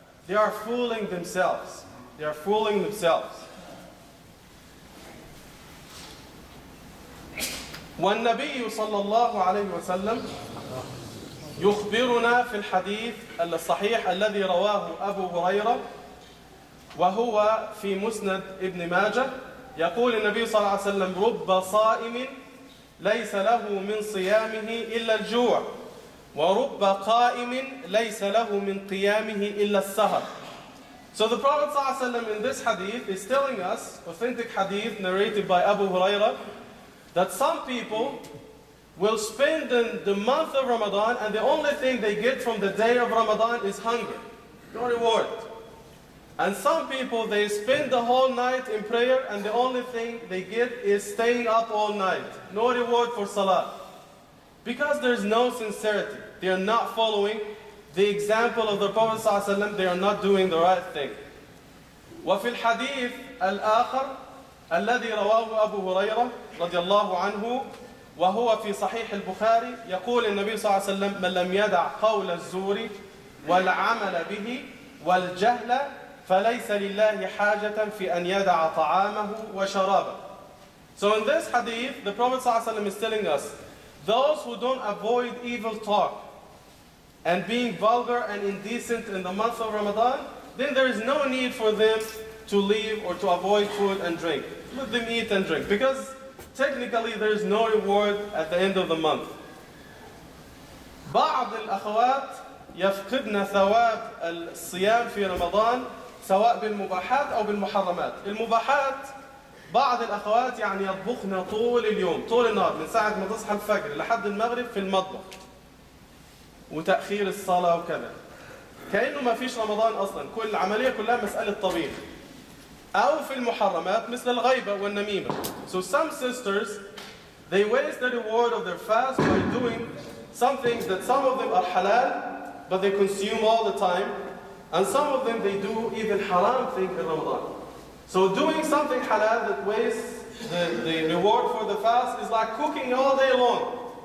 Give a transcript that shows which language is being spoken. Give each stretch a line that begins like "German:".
English: They are fooling themselves. They are fooling themselves.
Arabic: والنبي صلى الله عليه وسلم يخبرنا في الحديث الصحيح الذي رواه أبو هريرة وهو في مسند ابن ماجه يقول النبي صلى الله عليه وسلم رب صائم ليس له من صيامه إلا الجوع ورب قائم ليس له من قيامه إلا السهر.
English: So the Prophet
Arabic: صلى الله عليه وسلم
English: in this hadith is telling us, authentic hadith narrated by Abu Huraira, that some people will spend the month of Ramadan and the only thing they get from the day of Ramadan is hunger, no reward. And some people, they spend the whole night in prayer and the only thing they get is staying up all night, no reward for salah. Because there's no sincerity, they are not following the example of the Prophet
Arabic: صلى الله عليه وسلم,
English: they are not doing the right thing.
Arabic: وفي الحديث الآخر الذي رواه أبو هريرة رضي الله عنه وهو في صحيح البخاري يقول النبي صلى الله عليه وسلم من لم يدع قول الزور والعمل به والجهل فليس لله حاجة في أن يدع طعامه وشرابه.
English: So in this hadith, the Prophet
Arabic: صلى الله عليه وسلم
English: is telling us, those who don't avoid evil talk and being vulgar and indecent in the month of Ramadan, then there is no need for them to leave or to avoid food and drink. Let them eat and drink, because technically there is no reward at the end of the month.
Arabic: بعض الأخوات يفقدن ثواب الصيام في رمضان سواء بالمباحات أو بالمحرمات. المباحات بعض الأخوات يعني يطبخن طول اليوم طول النهار من ساعة ما تصحى الفجر لحد المغرب في المطبخ وتأخير الصلاة وكذا كأنه ما فيش رمضان أصلا, كل العملية كلها مسألة طبيخ. أو في المحرمات مثل الغيبة والنميمة.
English: So some sisters, they waste the reward of their fast by doing some things that some of them are halal, but they consume all the time. And some of them, they do even haram things in Ramadan. So doing something halal that wastes the reward for the fast is like cooking all day long.